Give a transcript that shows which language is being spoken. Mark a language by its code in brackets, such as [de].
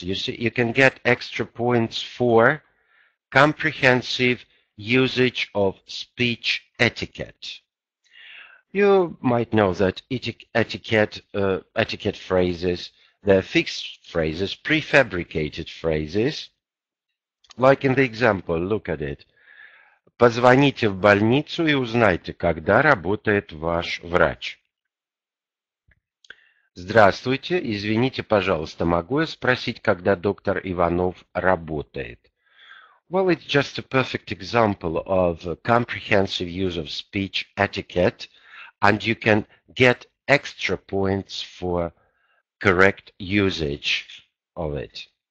[en] You see, you can get extra points for comprehensive usage of speech etiquette. You might know that etiquette phrases, they're fixed phrases, prefabricated phrases. Like in the example, look at it. [ru] Позвоните в больницу и узнайте, когда работает ваш врач. Здравствуйте, извините, пожалуйста, могу я спросить, когда доктор Иванов работает? [en] Well, it's just a perfect example of comprehensive use of speech etiquette, and you can get extra points for correct usage of it.